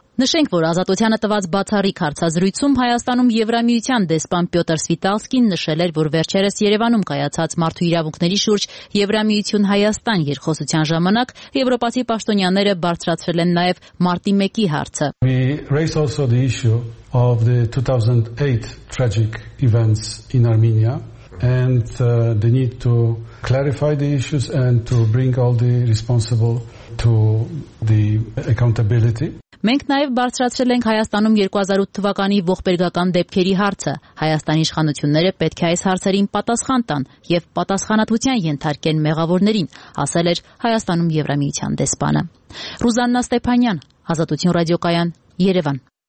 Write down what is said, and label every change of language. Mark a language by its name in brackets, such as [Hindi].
[Armenian] Նշենք, որ ազատությանը տված բացառիկ հարցազրույցում Հայաստանում Եվրամիության դեսպան Պյոտր Սվիտալսկին նշել էր, որ վերջերս Երևանում կայացած մարդու իրավունքների շուրջ Եվրամիություն Հայաստան երկխոսության ժամանակ եվրոպացի պաշտոնյաները բարձրացրել են նաև մարտի 1-ի հարցը։ [English] We raise also the issue of the 2008 tragic events in Armenia and the need to clarify the issues and to bring all the responsible to the accountability. [Armenian] Մենք նաև բարձրացրել ենք Հայաստանում 2008 թվականի ողբերգական դեպքերի հարցը։ Հայաստանի իշխանությունները պետք է այս հարցերին պատասխան տան եւ պատասխանատվության ենթարկեն մեղավորներին, ասել էր Հայաստանում Եվրամիության դեսպանը։ Ռուզաննա Ստեփանյան, Ազատություն ռադիոկայան, Երևան։